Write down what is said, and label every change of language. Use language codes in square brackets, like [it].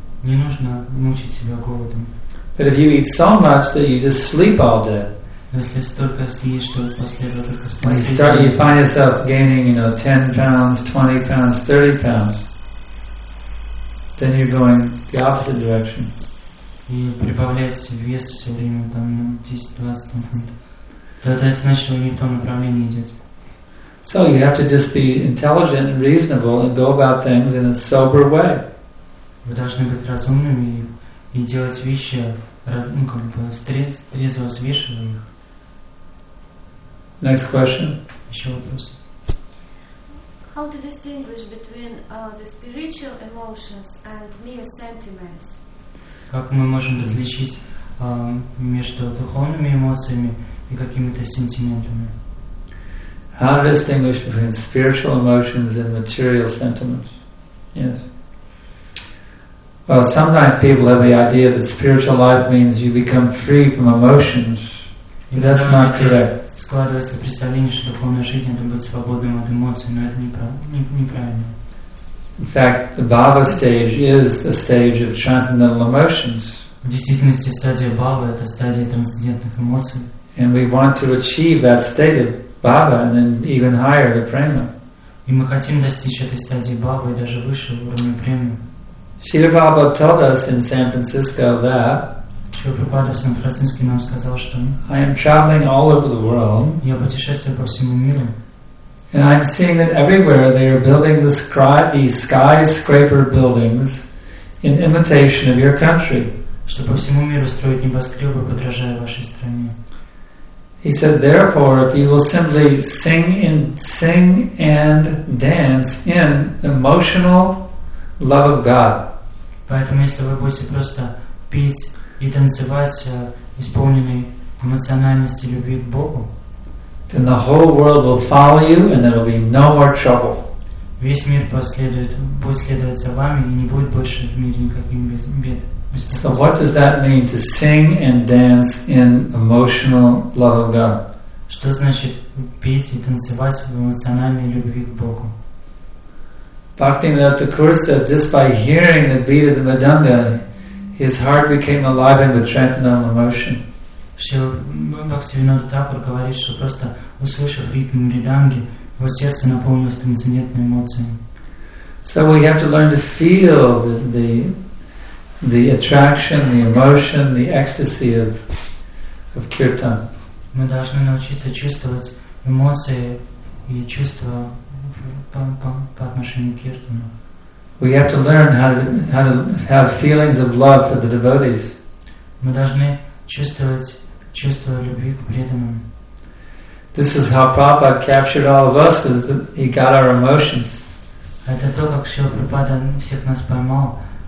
[ru] Не нужно мучить себя голодом. [en] But if you eat so much that you just sleep all day, [ru] если столько съешь, что после этого только спать. [en] You find yourself gaining, 10 pounds, 20 pounds, 30 pounds. Then you're going the opposite direction. [ru] И прибавляется вес все время, 10-20 фунтов. Тогда это значит, что не в том направлении идет. [en] So you have to just be intelligent and reasonable and go about things in a sober way. [ru] Вы должны быть разумными и делать вещи, трезво взвешивая их. [en] Next question. [ru] Еще вопрос. [en] How to distinguish between the spiritual emotions and mere sentiments? [ru] Как мы можем различить между духовными эмоциями и какими-то сентиментами? [en] How to distinguish between spiritual emotions and material sentiments? Yes. Well, sometimes people have the idea that spiritual life means you become free from emotions. That's not correct. [ru] Складывается представление, что духовная жизнь это быть свободным от эмоций, но это неправильно. [en] In fact, the bhava stage is a stage of transcendental emotions. [ru] В действительности стадия бхавы это стадия трансцендентных эмоций. [en] And we want to achieve that state of bhava and then even higher the prema. [ru] И мы хотим достичь этой стадии бхавы и даже выше уровня премы. [en] Śrīla Prabhupāda told us in San Francisco that [ru] Śrīla Prabhupāda в Сан-Франциско нам сказал, что [en] I am traveling all over the world. [ru] Я путешествую по всему миру. [en] And I'm seeing that everywhere they are building these skyscraper buildings in imitation of your country. [ru] Что по всему миру строят небоскребы, подражая вашей стране. [en] He said, therefore, if you will simply sing and dance in emotional love of God. [ru] Поэтому если вы будете просто петь и танцевать, исполненной эмоциональности любви к Богу, [en] then the whole world will follow you and there will be no more trouble. [ru] Весь мир последует, будет следовать за вами и не будет больше в мире никаких бед. [en] So what does that mean to sing and dance in emotional love of God? [ru] Что значит петь и танцевать в эмоциональной любви к Богу? [en] Bhaktivinoda Thakur said, just by hearing the beat of the Madanga, his heart became alive with transcendental emotion. [ru] Bhaktivinoda Thakur говорит, что просто услышав ритм Мриданги, его сердце наполнилось трансцендентной эмоцией. [en] So we have to learn to feel the attraction, the emotion, the ecstasy of kirtan. [ru] Мы должны научиться чувствовать эмоции и чувства по отношению к киртану. [en] We have to learn how to have feelings of love for the devotees. [ru] Мы должны чувствовать чувство любви к преданным. [en] This is how Prabhupada captured all of us, because he got our emotions. [ru] Это то, как Шрила Прабхупада всех нас поймал.